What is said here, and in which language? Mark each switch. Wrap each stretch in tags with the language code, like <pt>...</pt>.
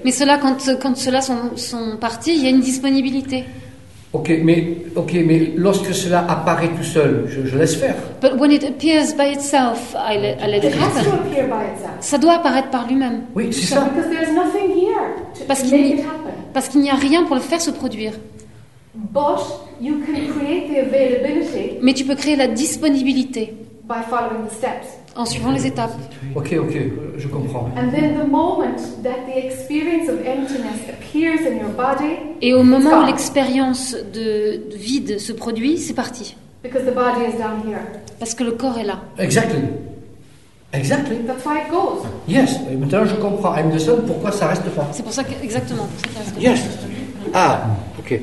<fr>Mais cela, quand ceux-là sont partis, il y a une disponibilité. Ok, mais lorsque cela apparaît tout seul, je laisse faire.</fr> <en>But when it appears by itself, I let it happen. It has to appear by itself.</en> <fr>Ça doit apparaître par lui-même. Oui, c'est ça.</fr> <en>Because there's nothing here</en> <fr>parce qu'il n'y a rien pour le faire se produire.</fr> <en>But you can create the availability.</en> <fr>Mais tu peux créer la disponibilité.</fr> <en>By following the steps.</en> <fr>En suivant les étapes. Ok, je comprends.</fr> <en>And then the moment that the experience of emptiness appears in your body.</en> <fr>Et au moment où l'expérience de vide se produit, c'est parti.</fr> <en>Because the body is down here.</en> <fr>Parce que le corps est là.</fr> <en>Exactly. That's why it goes.</en> <fr>Yes. Et maintenant je comprends.</fr> <en>I'm the son.</en> <fr>Pourquoi ça reste pas? C'est pour ça que exactement.</fr> <en>Yes. Ah. Ok.</en>